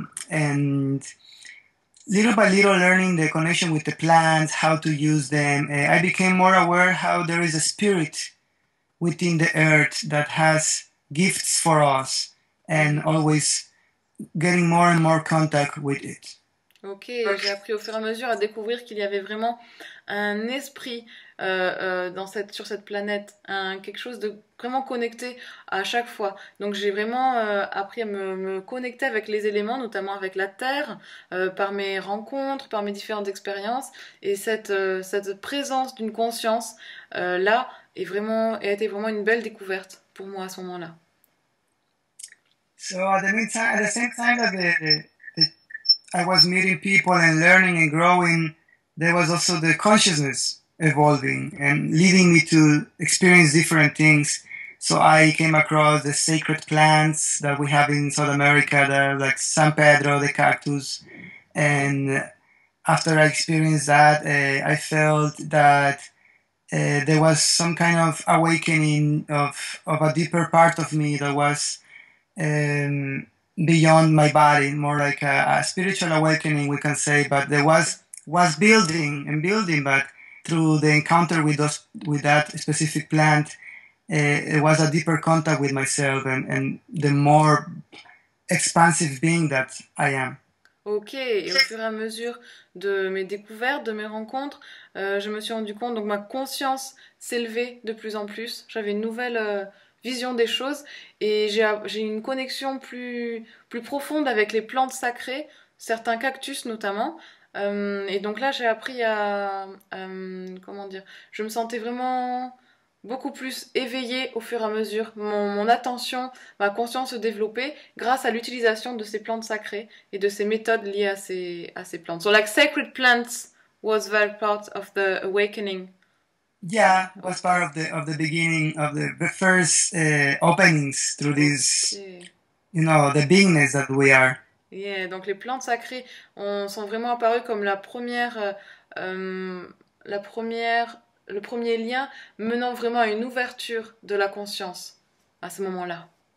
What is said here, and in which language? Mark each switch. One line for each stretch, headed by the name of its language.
English: And little by little, learning the connection with the plants, how to use them, I became more aware how there is a spirit within the earth that has gifts for us, and always getting more and more contact with it.
French: Ok, j'ai appris au fur et à mesure à découvrir qu'il y avait vraiment un esprit sur cette planète, quelque chose de vraiment connecté à chaque fois. Donc j'ai vraiment appris à me connecter avec les éléments, notamment avec la Terre, par mes rencontres, par mes différentes expériences. Et cette présence d'une conscience là a été vraiment une belle découverte pour moi à ce moment-là.
English: So at the same time that I was meeting people and learning and growing, there was also the consciousness evolving and leading me to experience different things. So I came across the sacred plants that we have in South America, that like San Pedro, the cactus. And after I experienced that, I felt that there was some kind of awakening of a deeper part of me that was beyond my body, more like a spiritual awakening, we can say. But there was building and building. But through the encounter with those with that specific plant, it was a deeper contact with myself and the more expansive being that I am.
French: Ok, et au fur et à mesure de mes découvertes, de mes rencontres, je me suis rendu compte, donc ma conscience s'élevait de plus en plus. J'avais une nouvelle vision des choses et j'ai une connexion plus profonde avec les plantes sacrées, certains cactus notamment. Et donc là, j'ai appris comment dire, je me sentais vraiment beaucoup plus éveillée au fur et à mesure. Mon attention, ma conscience se développait grâce à l'utilisation de ces plantes sacrées et de ces méthodes liées à ces plantes.
English: So, like, sacred plants was very part of the awakening. Yeah, was part of the beginning of the first openings through this, the beingness that we are.
French: Donc les plantes sacrées sont vraiment apparues comme le premier lien menant vraiment à une ouverture de la conscience à ce moment-là.